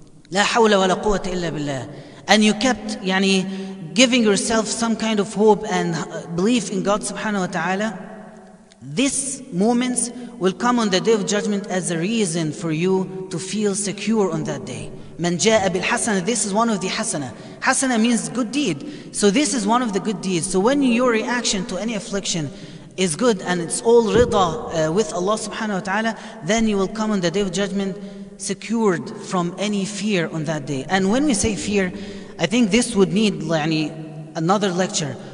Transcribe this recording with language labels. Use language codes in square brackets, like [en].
[ar] لا حول ولا قوة إلا بالله. [en] And you kept يعني giving yourself some kind of hope and belief in God subhanahu wa ta'ala, these moments will come on the day of judgment as a reason for you to feel secure on that day. [ar] من جاء بالحسنة, [en] this is one of the حسنة. حسنة means good deed. So this is one of the good deeds. So when your reaction to any affliction is good and it's all rida with Allah subhanahu wa ta'ala, then you will come on the day of judgment secured from any fear on that day. And when we say fear, I think this would need يعني, another lecture.